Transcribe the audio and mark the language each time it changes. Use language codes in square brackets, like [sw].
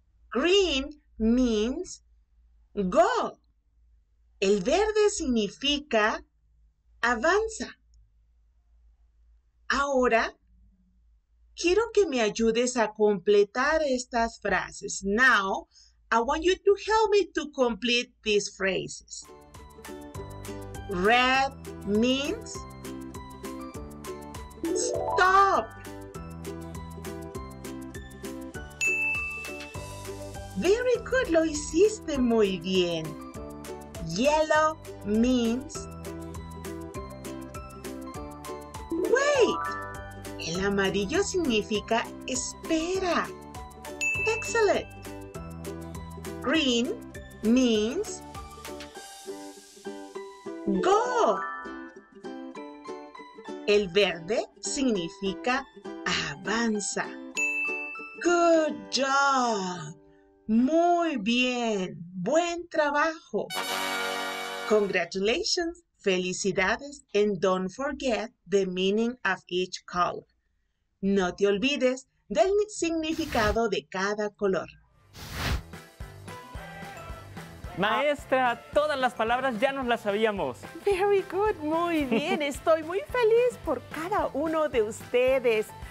[en] Green means go. [es] El verde significa avanza. Ahora, quiero que me ayudes a completar estas frases. [en] Now, I want you to help me to complete these phrases. Red means stop. Very good, [es] lo hiciste muy bien. [en] Yellow means wait. [es] El amarillo significa espera. Excellent. [en] Green means go. [es] El verde significa avanza. [en] Good job. [es] Muy bien. Buen trabajo. Congratulations. Felicidades. [en] And don't forget the meaning of each color. [es] No te olvides del significado de cada color. Maestra, todas las palabras ya nos las sabíamos. [en] Very good. [es] Muy bien. Estoy muy feliz por cada uno de ustedes.